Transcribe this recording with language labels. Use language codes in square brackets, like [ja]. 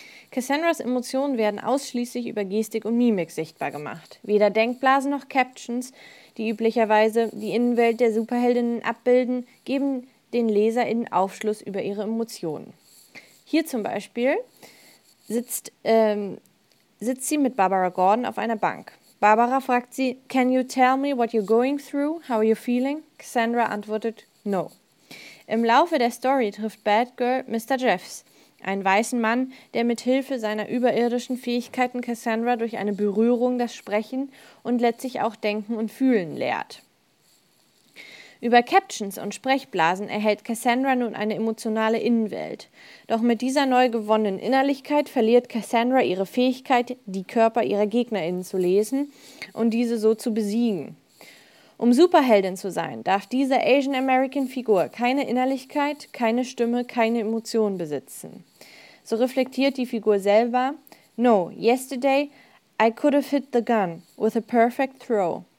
[de] Cassandras Emotionen werden ausschließlich über Gestik und Mimik sichtbar gemacht. Weder Denkblasen noch Captions, die üblicherweise die Innenwelt der Superheldinnen abbilden, geben den LeserInnen Aufschluss über ihre Emotionen. Hier zum Beispiel sitzt sie mit Barbara Gordon auf einer Bank. Barbara fragt sie, [en] "Can you tell me what you're going through? How are you feeling?" [de] Cassandra antwortet, "No." Im Laufe der Story trifft Batgirl Mr. Jeffs, einen weißen Mann, der mit Hilfe seiner überirdischen Fähigkeiten Cassandra durch eine Berührung das Sprechen und letztlich auch Denken und Fühlen lehrt. Über Captions und Sprechblasen erhält Cassandra nun eine emotionale Innenwelt. Doch mit dieser neu gewonnenen Innerlichkeit verliert Cassandra ihre Fähigkeit, die Körper ihrer GegnerInnen zu lesen und diese so zu besiegen. Um Superheldin zu sein, darf diese Asian American Figur keine Innerlichkeit, keine Stimme, keine Emotion besitzen. So reflektiert die Figur selber, [en] "No, yesterday I could have hit the gun with a perfect throw.